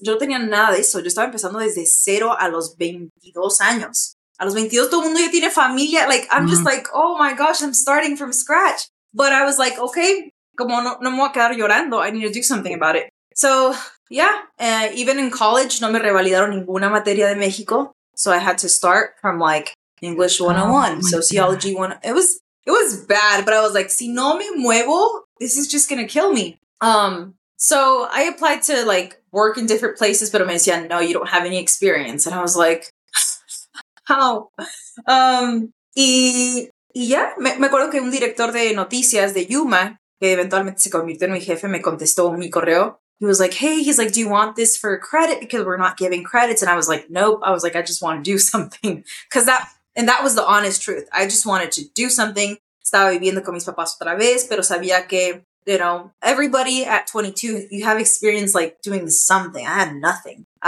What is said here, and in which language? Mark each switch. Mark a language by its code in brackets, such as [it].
[es] Yo no tenía nada de eso. Yo estaba empezando desde cero a los 22 años. A los 22, todo el mundo ya tiene familia. [en] Like, I'm just like, oh my gosh, I'm starting from scratch. But I was like, okay, [es] como no me voy a quedar llorando. [en] I need to do something about it. So, yeah, even in college, [es] no me revalidaron ninguna materia de México. [en] So I had to start from like English 101, sociology 101. It was bad, but I was like, [es] si no me muevo, [en] this is just going to kill me. So I applied to like work in different places, [es] pero me decían, no, [en] you don't have any experience. And I was like, how? [es] Me acuerdo que un director de noticias de Yuma, que eventualmente se convirtió en mi jefe, me contestó mi correo. [en] He was like, hey, he's like, do you want this for credit? Because we're not giving credits. And I was like, nope. I was like, I just want to do something. And that was the honest truth. I just wanted to do something. [es] Estaba viviendo con mis papás otra vez, pero sabía que, [en] you know, everybody at 22, you have experience like doing something. I had nothing.